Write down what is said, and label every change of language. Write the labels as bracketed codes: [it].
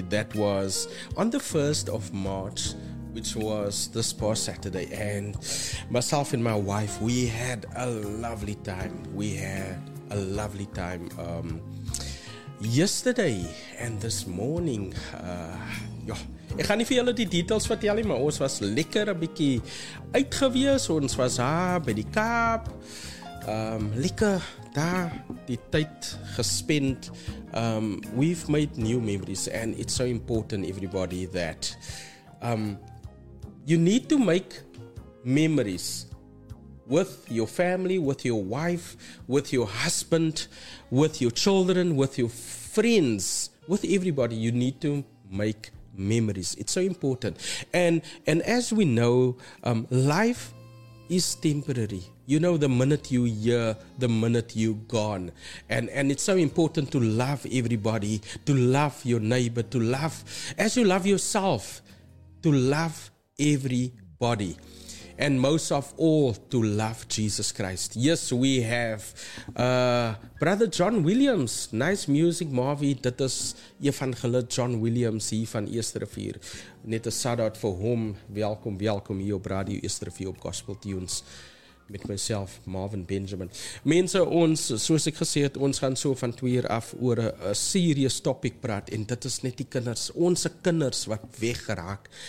[en] That was on the 1st of March, which was this past Saturday. And myself and my wife, we had a lovely time. We had a lovely time yesterday and this morning. [af] Ja, ek gaan nie vir julle die details vertel nie, maar ons was lekker 'n bietjie uitgewees. Ons was daar by die Kaap. Lekker daar die tyd gespend. [en] We've made new memories and it's so important, everybody, that you need to make memories with your family, with your wife, with your husband, with your children, with your friends, with everybody. You need to make memories. It's so important. And as we know, life is temporary. You know, the minute you here, the minute you gone. And it's so important to love everybody, to love your neighbor, to love, as you love yourself, to love everybody. And most of all, to love Jesus Christ. Yes, we have Brother John Williams. Nice music, Marvy. [af] Dit is Evangelist John Williams hier van Eerste Rivier. [en] Net a shout-out for him. [af] Welkom, welkom hier op Radio Eerste Rivier op Gospel Tunes. Met myself, Marvin Benjamin. Mense, ons, soos ek gesê het, ons gaan so van 2 uur af oor 'n serious topic praat, en dit is net die kinders, ons kinders wat weggeraak.